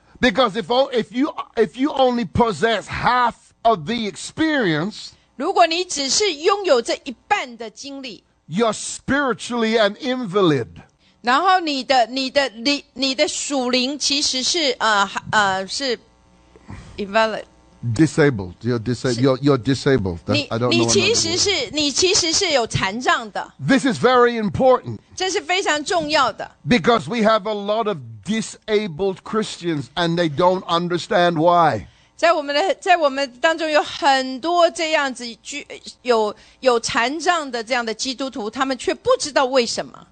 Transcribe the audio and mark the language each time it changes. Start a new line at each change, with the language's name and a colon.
English: Because if you only possess half of the experience,
Chinese: 如果你只是拥有这一半的经历，
English: you're spiritually an invalid.
Chinese: 然后你的属灵其实是是 invalid,
English: disabled. You're disabled. That,
Chinese: 你其实是有残障的。
English: This is very important.
Chinese: 这是非常重要的。
English: Because we have a lot of disabled Christians and they don't understand why.
Chinese: 在我们当中有很多这样子有残障的这样的基督徒，他们却不知道为什么。